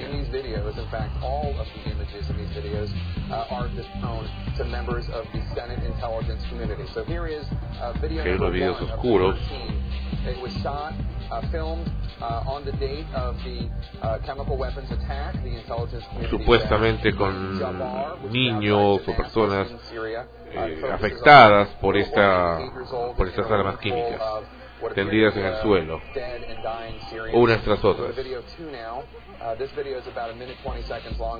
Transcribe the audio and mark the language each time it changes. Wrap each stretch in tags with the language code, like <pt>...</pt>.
<en>In these videos, in fact, all of the images in these videos are disclosed to members of the Senate Intelligence Community. So here is a video number one of 13. It was shot, filmed on the date of the chemical weapons attack.</en> <es>Supuestamente con niños o personas afectadas por estas armas químicas tendidas en el suelo unas tras otras.</es> <en>This video is about a minute 20 seconds long.</en>